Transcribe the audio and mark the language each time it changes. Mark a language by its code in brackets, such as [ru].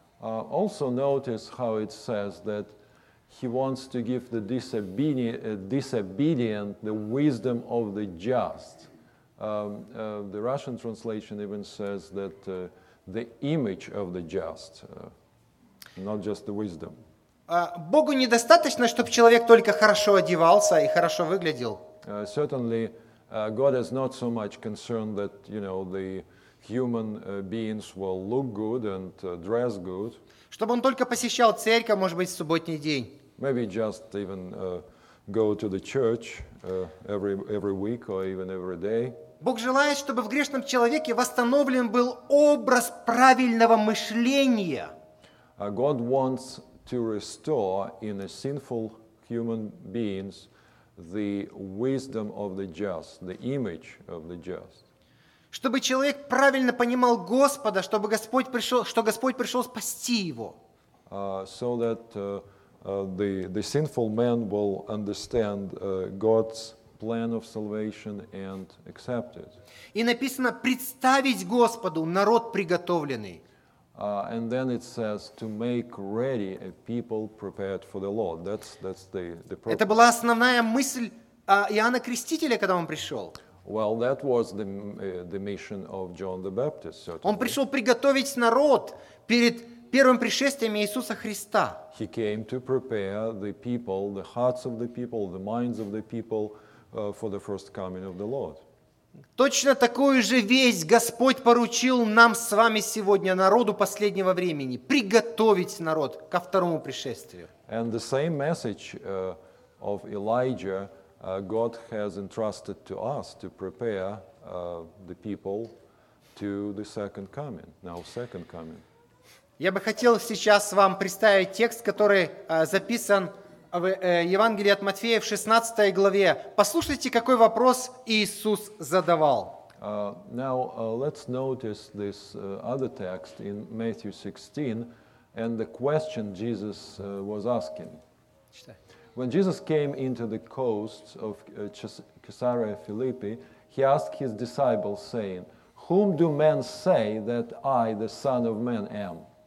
[en] Also notice how it says that he wants to give the disobedient the wisdom of the just, The Russian translation even says that the image of the just, not just the wisdom. [ru] Богу недостаточно, чтобы человек только хорошо одевался и хорошо выглядел. [en] Certainly, God is not so much concerned that, you know, the human beings will look good and dress good. [ru] Чтобы он только посещал церковь, может быть, в субботний день. [en] Maybe just even go to the church every week or even every day. [ru] Бог желает, чтобы в грешном человеке восстановлен был образ правильного мышления. [en] God wants to restore in a sinful human beings the wisdom of the just, the image of the just. [ru] Чтобы человек правильно понимал Господа, чтобы Господь пришел, что Господь пришел спасти его. [en] So that the sinful man will understand God's plan of salvation and accept it. [ru] И написано представить Господу народ приготовленный. [en] And then it says to make ready a people prepared for the Lord. That's the purpose. [ru] Это была основная мысль Иоанна Крестителя, когда он пришел. [en] Well, that was the mission of John the Baptist, certainly. [ru] Он пришел приготовить народ перед первым пришествием Иисуса Христа. [en] He came to prepare the people, the hearts of the people, the minds of the people for the first coming of the Lord. [ru] Точно такую же весть Господь поручил нам с вами сегодня, народу последнего времени, приготовить народ ко второму пришествию. [en] And the same message of Elijah, God has entrusted to us to prepare the people to the second coming, now second coming. [ru] Я бы хотел сейчас вам представить текст, который записан в Евангелии от Матфея в 16 главе. Послушайте, какой вопрос Иисус задавал. [en] Now, let's notice this other text in Matthew 16 and the question Jesus was asking. When Jesus came into the coasts of Caesarea Philippi, he asked his disciples, saying, whom do men say that I, the Son of Man, am?